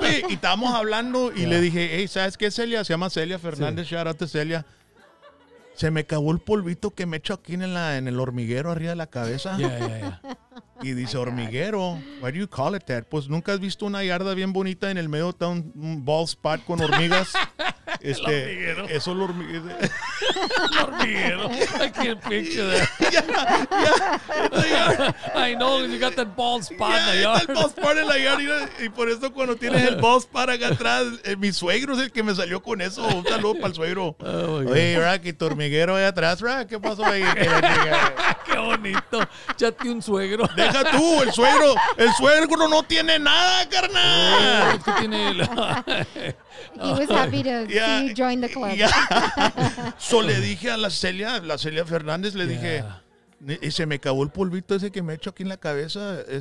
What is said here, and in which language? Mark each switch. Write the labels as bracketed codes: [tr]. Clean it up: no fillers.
[es] Y estábamos hablando y le dije, hey, ¿sabes qué, Celia? Se llama Celia Fernández, [en] shout out to Celia. [es] Se me acabó el polvito que me echo aquí en el hormiguero arriba de la cabeza. [en] Yeah. [es] Y dice, [en] hormiguero, why do you call it that? [es] Pues nunca has visto una yarda bien bonita en el medio, está un [en] bald spot [es] con hormigas. Este, el hormiguero. Eso es el hormiguero. [en] El hormiguero. I can't picture that. Yeah. I know, you got that bald spot in the yard. [es] Está el [en] bald spot [es] en la yarda. Y por eso cuando tienes el [en] bald spot [es] acá atrás, mi suegro es el que me salió con eso. Un saludo para el suegro. Oh, oye, Rack, y tu hormiguero allá atrás, Rack. ¿Qué pasó ahí? Qué bonito. Chate un suegro. Deja tú, el suegro. El suegro no tiene nada, carnal. ¿Qué tiene él? [en] He was happy to see you join the club. Yeah. [es] So le dije a la Celia Fernández, le dije, y se me acabó el polvito ese que me he hecho aquí en la cabeza.